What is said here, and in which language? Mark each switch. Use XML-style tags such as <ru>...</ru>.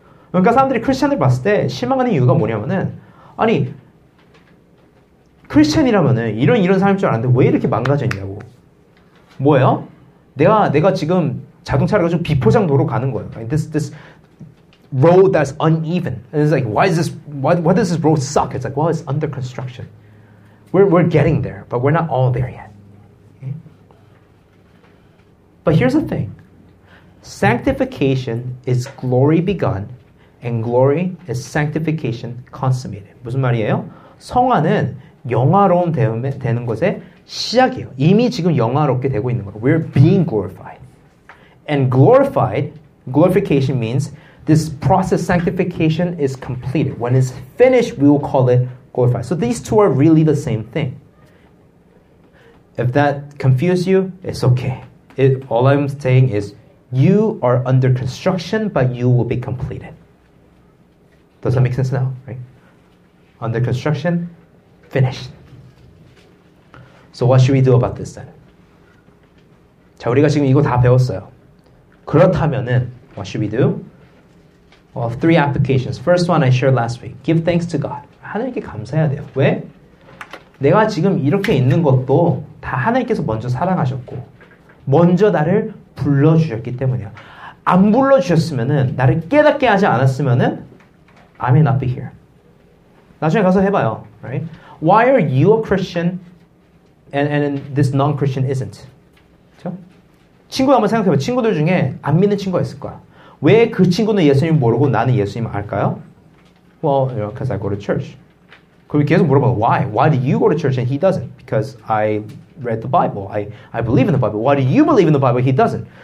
<ko>그러니까 사람들이 크리스천을 봤을 때 실망하는 이유가 뭐냐면은 아니 크리스천이라면은 이런 사람인 줄 알았는데 왜 이렇게 망가졌냐고. 뭐예요? 내가 지금 자동차를 가지고 비포장 도로 가는 거예요.</ko> <en>Like this road that's uneven. And it's like why is this why does this road suck? It's like well it's under construction. We're getting there, but we're not all there yet. But here's the thing. Sanctification is glory begun, and glory is sanctification consummated.</en> <ko>무슨 말이에요? 성화는 영화로운 되는 것의 시작이에요. 이미 지금 영화롭게 되고 있는 거예요.</ko> <en>We're being glorified. And glorification means this process, sanctification, is completed. When it's finished, we will call it glorified. So these two are really the same thing. If that confused you, it's okay. All I'm saying is, you are under construction, but you will be completed. Does that make sense now? Right? Under construction, finished. So what should we do about this then?</en> <ko>자, 우리가 지금 이거 다 배웠어요. 그렇다면은,</ko> <en>what should we do? Well, three applications. First one I shared last week. Give thanks to God.</en> <ko>하나님께 감사해야 돼요. 왜? 내가 지금 이렇게 있는 것도 다 하나님께서 먼저 사랑하셨고, 먼저 나를 불러주셨기 때문이야. 안 불러주셨으면은, 나를 깨닫게 하지 않았으면은,</ko> <en>I may not be here.</en> <ko>나중에 가서 해봐요. Right?</ko> <en>Why are you a Christian and this non-Christian isn't?</en> <ko>그렇죠? 친구 한번 생각해봐. 친구들 중에 안 믿는 친구가 있을 거야. 왜 그 친구는 예수님 모르고 나는 예수님 알까요?</ko> <en>Well, you know, because I go to church.</en> <ko>그럼 계속 물어봐.</ko> <en>Why? Why do you go to church and he doesn't? Because I read the Bible. I believe in the Bible. Why do you believe in the Bible? He doesn't.</en>